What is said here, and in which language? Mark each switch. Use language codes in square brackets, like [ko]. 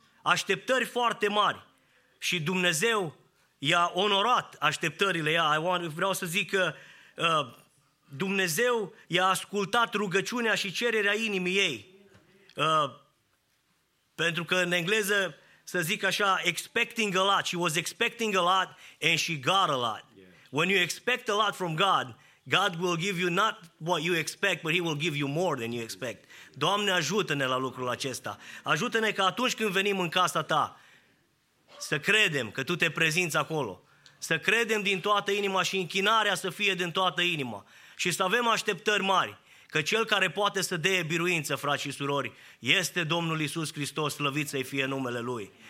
[ro] Așteptări foarte mari. Și Dumnezeu i-a onorat așteptările ea. Vreau să zic că Dumnezeu i-a ascultat rugăciunea și cererea inimii ei. Pentru că în engleză, să zic așa, [en] expecting a lot. She was expecting a lot and she got a lot. Yeah. When you expect a lot from God, God will give you not what you expect, but he will give you more than you expect. [ro] Doamne, ajută-ne la lucrul acesta. Ajută-ne că atunci când venim în casa ta, să credem că tu te prezinți acolo. Să credem din toată inima și închinarea să fie din toată inima. Și să avem așteptări mari, că cel care poate să dea biruință, frați și surori, este Domnul Iisus Hristos, slăvit să-i fie numele Lui.